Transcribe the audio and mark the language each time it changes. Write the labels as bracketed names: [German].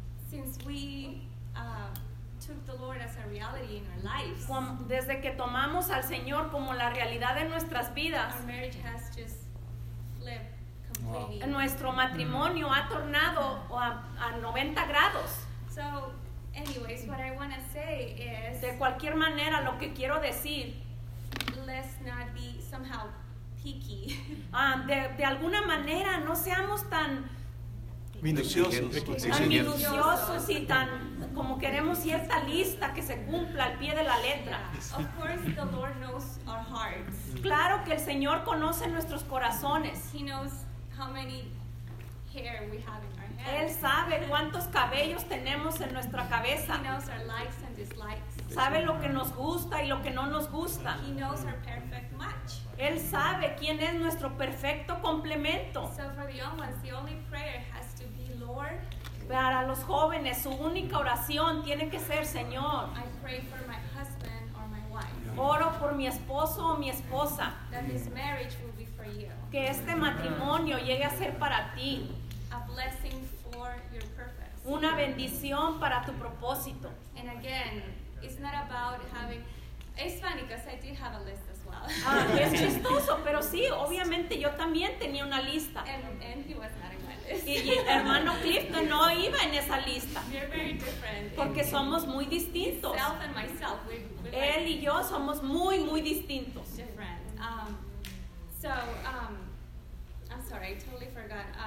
[English] Since we took the Lord as a reality in our lives. [Spanish] Desde que tomamos al Señor como la realidad de nuestras vidas. [English] Our marriage has just flipped completely. Wow. [Spanish] Nuestro matrimonio ha tornado a 90 grados. [English] So, anyways, what I want to say is. [Spanish] De cualquier manera, lo que quiero decir. [English] Let's not be somehow picky. [Spanish] De alguna manera, no seamos tan Minuciosos y tan como queremos cierta lista que se cumpla al pie de la letra. [English] Of course the Lord knows our hearts. [Spanish] Claro que el Señor conoce nuestros corazones. [English] He knows how many hair we have in our head. [Spanish] Él sabe cuántos cabellos tenemos en nuestra cabeza. [English] He knows our likes and dislikes. [Spanish] Sabe lo que nos gusta y lo que no nos gusta. [English] He knows our perfect match. [Spanish] Él sabe quién es nuestro perfecto complemento. [English] So for the young ones, the only prayer has to be, Lord. [Spanish] Para los jóvenes, su única oración tiene que ser, Señor. [English] I pray for my husband or my wife. [Spanish] Oro por mi esposo o mi esposa. [English] That this marriage will be for you. [Spanish] Que este matrimonio llegue a ser para ti. [English] A blessing for your purpose. [Spanish] Una bendición para tu propósito. [English] And again, it's not about having... It's funny because I did have a list as well. [Spanish] Es chistoso, pero sí, obviamente yo también tenía una lista. [English] And he was not in my list. [Spanish] Y hermano Clifton no iba en esa lista. [English] We're very different. [Spanish] Porque somos muy distintos. [English] Self and myself, we're [Spanish] él like y yo somos muy, muy distintos. [English] Different. I'm sorry, I totally forgot.